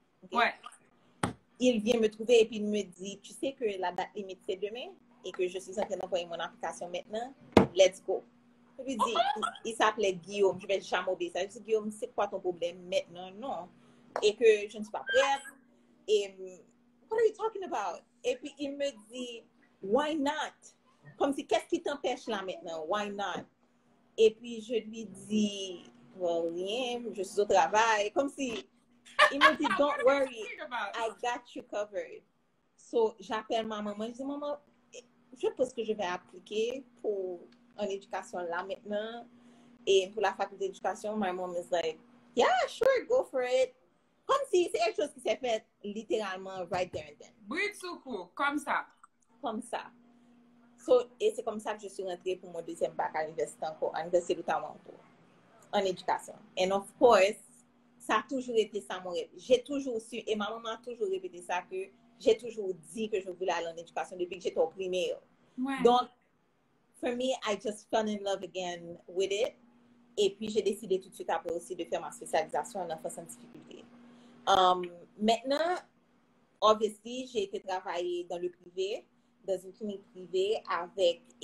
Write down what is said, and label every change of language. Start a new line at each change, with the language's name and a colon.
French: okay, ouais, il vient me trouver et puis il me dit, tu sais que la date limite, c'est demain et que je suis en train d'envoyer mon application maintenant.
English: Let's go.
French: Je lui dis, il s'appelait Guillaume, je ne vais jamais oublier ça. Je lui dis, Guillaume, c'est quoi ton problème maintenant? Non. Et que je ne suis pas prête.
English: Et, what are you talking about?
French: Et puis, il me dit,
English: why not?
French: Comme si, qu'est-ce qui t'empêche là maintenant?
English: Why not?
French: Et puis, je lui dis, well, rien, je suis au travail. Comme si, il me dit,
English: don't worry, I got you covered.
French: So, j'appelle ma maman, je dis, maman, je pense que je vais appliquer pour en éducation là maintenant et pour la faculté d'éducation.
English: My mom is like, yeah, sure, go for it.
French: Comme si c'est quelque chose qui s'est fait littéralement
English: right there and then.
French: Britsuku, comme ça. Comme ça. So, et c'est comme ça que je suis rentrée pour mon deuxième bac à l'université encore, à l'université de Toronto, en éducation.
English: And of course,
French: ça a toujours été ça mon rêve. J'ai toujours su, et ma maman a toujours répété ça, que j'ai toujours dit que je voulais aller en éducation depuis que j'étais au primaire. Ouais.
English: Donc, for me, I just fell in love again with it.
French: Et puis, j'ai décidé tout de suite après aussi de faire ma spécialisation en enfance en difficulté. Maintenant, obviously, j'ai été travailler dans le privé, dans une clinique privée avec...